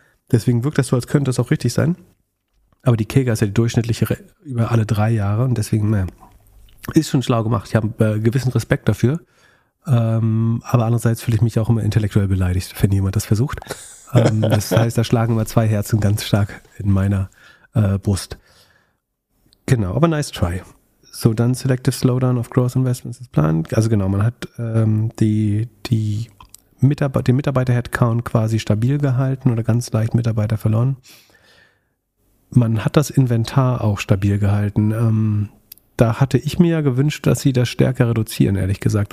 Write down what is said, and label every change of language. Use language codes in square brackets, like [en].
[de] Deswegen wirkt das so, als könnte das auch richtig sein. Aber die CAGR ist ja die durchschnittliche über alle drei Jahre und deswegen, ist schon schlau gemacht. Ich habe gewissen Respekt dafür. Aber andererseits fühle ich mich auch immer intellektuell beleidigt, wenn jemand das versucht. Das heißt, da schlagen immer zwei Herzen ganz stark in meiner Brust. Genau, aber nice try. So, dann [en] Selective Slowdown of Growth Investments is planned. [de] Also genau, man hat den Mitarbeiter-Headcount quasi stabil gehalten oder ganz leicht Mitarbeiter verloren. Man hat das Inventar auch stabil gehalten. Da hatte ich mir ja gewünscht, dass sie das stärker reduzieren, ehrlich gesagt.